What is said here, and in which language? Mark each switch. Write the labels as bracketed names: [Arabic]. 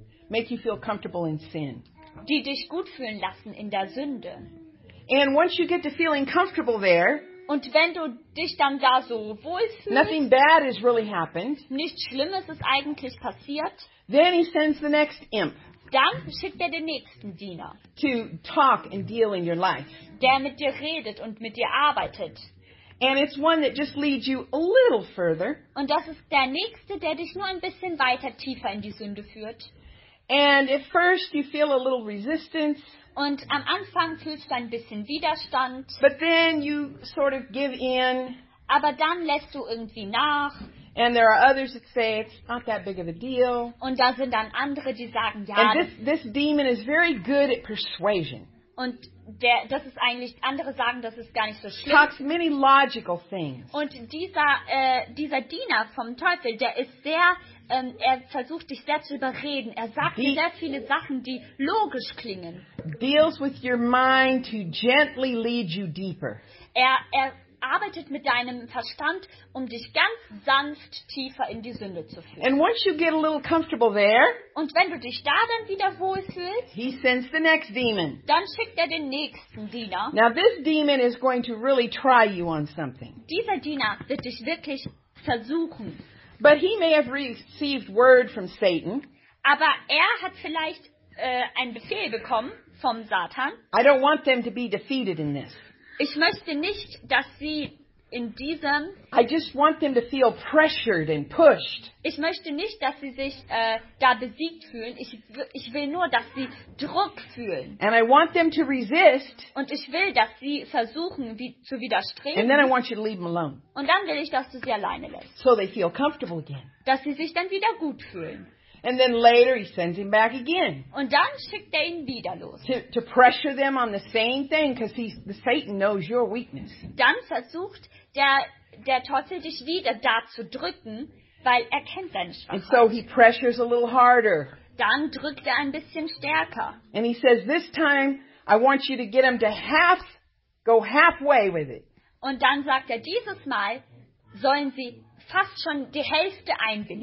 [English] Make you feel comfortable in sin. [German] Die dich gut fühlen lassen in der Sünde. [English] And once you get to feeling comfortable there, [German] und wenn du dich dann da so wohlfühlst, [English] nothing bad has really happened. [German] Nichts Schlimmes ist eigentlich passiert. [English] Then he sends the next imp. [German] Dann schickt er den nächsten Diener. [English] To talk and deal in your life. [German] Der mit dir redet und mit dir arbeitet. [English] And it's one that just leads you a little further. [German] Und das ist der nächste, der dich nur ein bisschen weiter tiefer in die Sünde führt. [English] And at first you feel a little resistance. [German] Und am Anfang fühlst du ein bisschen Widerstand. [English] But then you sort of give in. [German] Aber dann lässt du irgendwie nach. [English] And there are others that say it's not that big of a deal. [German] Und da sind dann andere, die sagen, ja. [English] And this demon is very good at persuasion. [German] Und der, das ist eigentlich, andere sagen, das ist gar nicht so schlimm. [English] Talks many logical things. [German] Und dieser Diener vom Teufel, der ist sehr, er versucht dich sehr zu überreden. Er sagt dir sehr viele Sachen, die logisch klingen. [English] Deals with your mind to gently lead you deeper. [German] Er arbeitet mit deinem Verstand, um dich ganz sanft tiefer in die Sünde zu führen. [English] And once you get a little comfortable there, [German] und wenn du dich da dann wieder wohlfühlst, [English] he sends the next demon. [German] Dann schickt er den nächsten Diener. [English] Now this demon is going to really try you on something. [German] Dieser Diener wird dich wirklich versuchen. [English] But he may have received word from Satan. [German] Aber er hat vielleicht einen Befehl bekommen vom Satan. [English] I don't want them to be defeated in this. [German] Ich möchte nicht, dass sie in diesem. [English] I just want them to feel pressured and pushed. [German] Ich möchte nicht, dass sie sich da besiegt fühlen. Ich will nur, dass sie Druck fühlen. [English] And I want them to resist. [German] Und ich will, dass sie versuchen, zu widerstreben. [English] And then I want you to leave them alone. [German] Und dann will ich, dass du sie alleine lässt. [English] So they feel comfortable again. [German] Dass sie sich dann wieder gut fühlen. [English] And then later he sends him back again. [German] Und dann schickt er ihn wieder los. [English] To pressure them on the same thing, because Satan knows your weakness. [German] Dann versucht der Teufel dich wieder da zu drücken, weil er kennt deine Schwachheit. [English] And so he pressures a little harder. [German] Dann drückt ein bisschen stärker. [English] And he says, this time I want you to get him to go halfway with it. [German] Und dann sagt dieses Mal sollen sie fast schon die Hälfte einwilligen.